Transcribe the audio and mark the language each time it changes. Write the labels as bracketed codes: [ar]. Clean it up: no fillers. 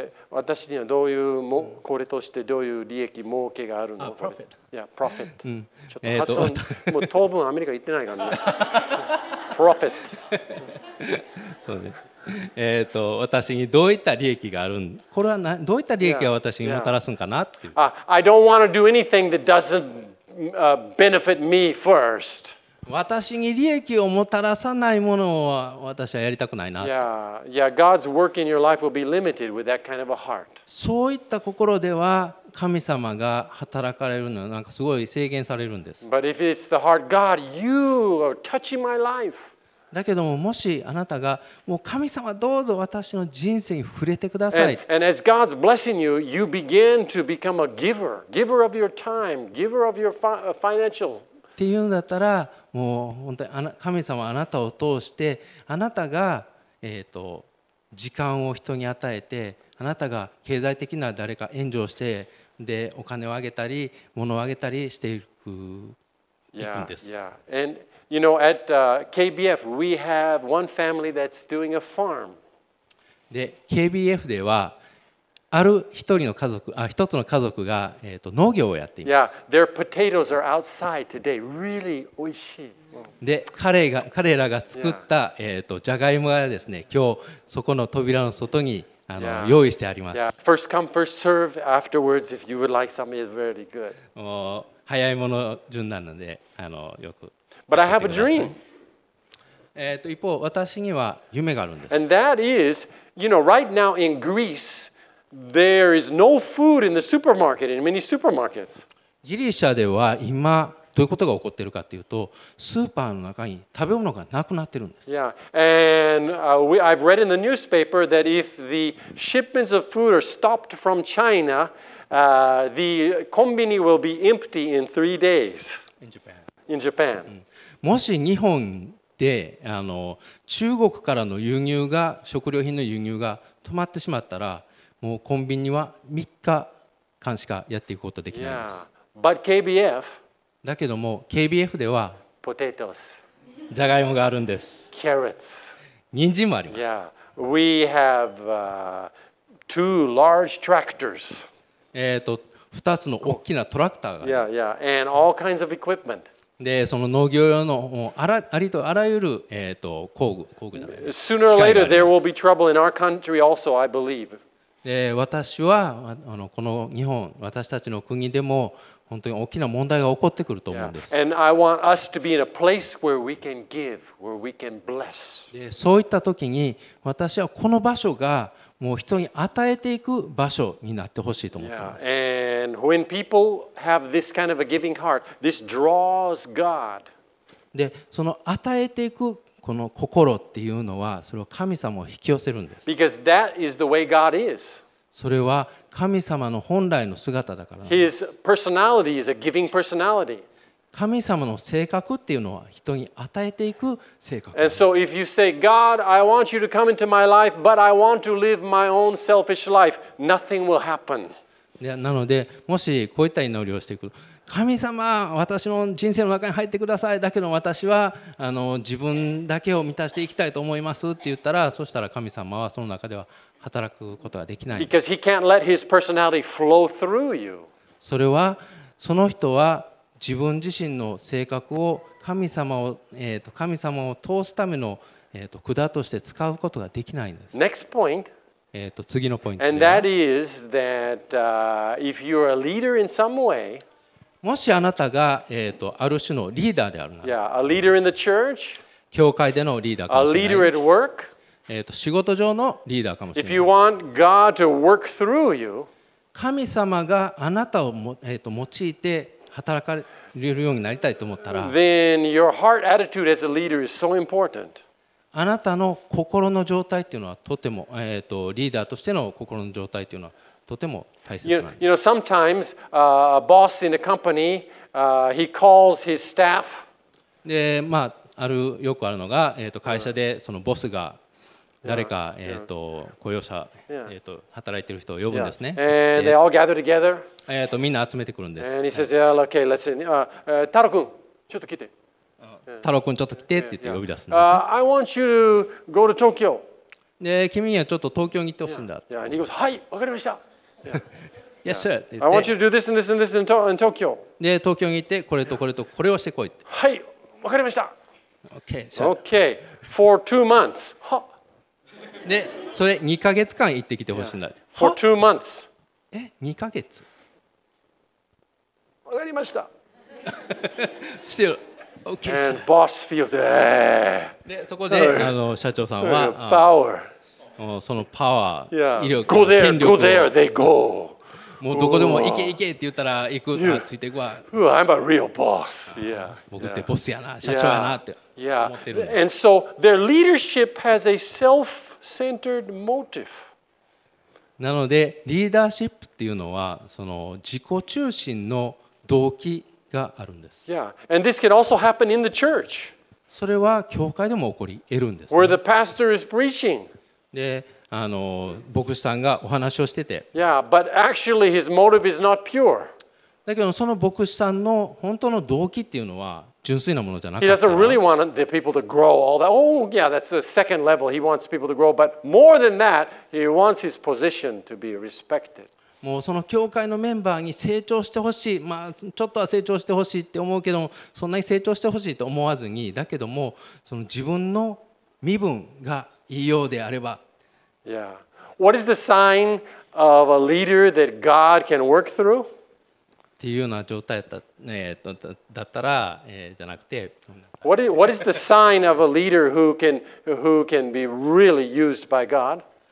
[ja] 私にはどういうもこれとしてどういう利益儲けがあるの？ [en] Profit. Yeah, profit. [ja] ちょっと発音もう当分アメリカ行ってないからね。 [en] profit. [ja] そうね。私にどういった利益があるん、これはな、どういった利益が私にもたらすんかなっていう。 [en] I don't want to do anything that doesn't benefit me first. [ja] 私に利益をもたらさないものは私はやりたくないな。 [en] Yeah, God's work in your life will be limited with that kind of a heart. [ja] そういった心では神様が働かれるのはなんかすごい制限されるんです。 [en] But if it's the heart, God, you are touching my life. [ja] だけどももしあなたがもう神様どうぞ私の人生に触れてください、 [en] and as God's blessing you, you begin to become a giver, giver of your time, giver of your financial. [ja] っていうんだったら、もう本当に神様あなたを通してあなたが時間を人に与えて、あなたが経済的な誰か援助をして、でお金をあげたり物をあげたりしているふう行くんです。 [en] Yeah, yeah. And you know, at KBF, we have one family that's doing a farm. [ja] で、KBF では、ある一人の家族、あ、一つの家族が、農業をやっています。 [en] Yeah, their potatoes are outside today. Really [ja] 美味しい。で、彼らが作った、じゃがいもがですね、今日、そこの扉の外に、yeah. 用意してあります。 [en] Yeah. First come, first serve. Afterwards, if you would like something, it's really good. [ja] もう、早いもの順なので、よく。 [en] But I have a dream. [ja] 一方、私には夢があるんです。 [en] And that is, you know, right now in Greece, there is no food in the supermarket, in many supermarkets. [ja] ギリシャでは今、どういうことが起こっているかというと、スーパーの中に食べ物がなくなっているんです。 [en] Yeah, and I've read in the newspaper that if the shipments of food are stopped from China, the konbini will be empty in 3 days. In Japan. In Japan. [ja] もし日本で中国からの輸入が食料品の輸入が止まってしまったら、もうコンビニは3日間しかやっていくことはできないんです。 [en] Yeah. But KBF, [ja] だけども KBF では [en] ポテトス、 [ja] じゃがいもがあるんです。 [en] キャロット、 [ja] 人参もあります。 [en] Yeah. We have, two large tractors. [ja] 2つの大きなトラクターがあります。 [en] Yeah, yeah. And all kinds of equipment. [ja] で、その農業用のありとあらゆる、工具じゃないですか。 [en] Sooner or later, there will be trouble in our country also, I believe. [ja] で、私はこの日本、私たちの国でも本当に大きな問題が起こってくると思うんです。 [en] Yeah. And I want us to be in a place where we can give, where we can bless. [ja] で、そういった時に私はこの場所がもう人に与えていく場所になってほしいと思っています。 [en] Yeah. And when people have this kind of a giving heart, this draws God. [ja] で、その与えていくこの心っていうのは、それは神様を引き寄せるんです。 [en] Because that is the way God is. [ja] それは神様の本来の姿だからなんです。 [en] His personality is a giving personality. [ja] 神様の性格っていうのは人に与えていく性格。 [en] And so if you say, God, I want you to come into my life, but I want to live my own selfish life, nothing will happen. [ja] なので、もしこういった祈りをしていく、神様、私の人生の中に入ってください。だけど私は自分だけを満たしていきたいと思いますって言ったら、そしたら神様はその中では働くことができない。 [en] Because he can't let his personality flow through you. [ja] それはその人は自分自身の性格を神様を、神様を通すための、管として使うことができないんです。 [en] Next point. [ja] 次のポイント。 [en] And that is that, if you're a leader in some way, [ja] もしあなたが、ある種のリーダーであるなら、 [en] yeah, a leader in the church, [ja] 教会でのリーダーかもしれない。 [en] A leader at work, [ja] 仕事上のリーダーかもしれない。 [en] If you want God to work through you, [ja] 神様があなたを、用いて働かれるようになりたいと思ったら、 [en] Then your heart attitude as a leader is so important. [ja] あなたの心の状態というのはとても、リーダーとしての心の状態というのはとても大切なんです。 [en] You know, sometimes, a boss in a company, he calls his staff. [ja] で、まあ、よくあるのが、会社でそのボスが誰か、雇用者、働いている人を呼ぶんですね。 [en] And they all gather together. [ja] みんな集めてくるんです。 [en] And he says, yeah, okay, let's see. [ja] 太郎君、ちょっと来て。太郎君、ちょっと来てって言って呼び出すんです [en] 。 I want you to go to Tokyo. [ja] で、君にはちょっと東京に行ってほしいんだ。 [en] Yeah, and he goes, [ja] はい、わかりました。 [en] Yes, sir. I want you to do this and this and this in Tokyo. [ja] で、東京に行って、これとこれとこれをしてこいって。はい、わかりました。 [en] Okay, sir. Okay, for 2 months. は [ja] で、それ2ヶ月間行ってきてほしいんだ。 [en] Yeah. For 2 months. [ja] え、2ヶ月。わかりました。 [en] Still, okay. And boss feels, [ja] で、そこで社長さんは、 [en] power. [ja] そのパワー、 [en] yeah. [ja] 威力、 [en] go there, [ja] 権力。 [en] Go there, they go. [ja] もうどこでも行け行けって言ったら行く、yeah. ついていくわ。 [en] Ooh, I'm a real boss. Yeah. [ja] 僕ってボスやな、社長やなって思ってる。 [en] Yeah. Yeah. And so their leadership has a self-centered motive. [ja] なのでリーダーシップっていうのはその自己中心の動機があるんです。 [en] Yeah, and this can also happen in the church. [ja] それは教会でも起こり得るんです、 [en] ね。Where the pastor is preaching. [ja] で、牧師さんがお話をしてて。 [en] Yeah, but actually his motive is not pure. [ja] だけどその牧師さんの本当の動機っていうのは純粋なものじゃなく [en] て。He doesn't really want the people to grow all that. Oh, yeah, that's the second level. He wants people to grow. But more than that, he wants his position to be respected. [ja] もうその教会のメンバーに成長してほしい。まあちょっとは成長してほしいって思うけども、そんなに成長してほしいと思わずに、だけども、その自分の身分がいいようであれば。 [en] Yeah. What is the sign of a leader that God can work through? [ja] っていうような状態だった、だったら、じゃなくて、 [en] What is the sign of a leader who can be really used by God?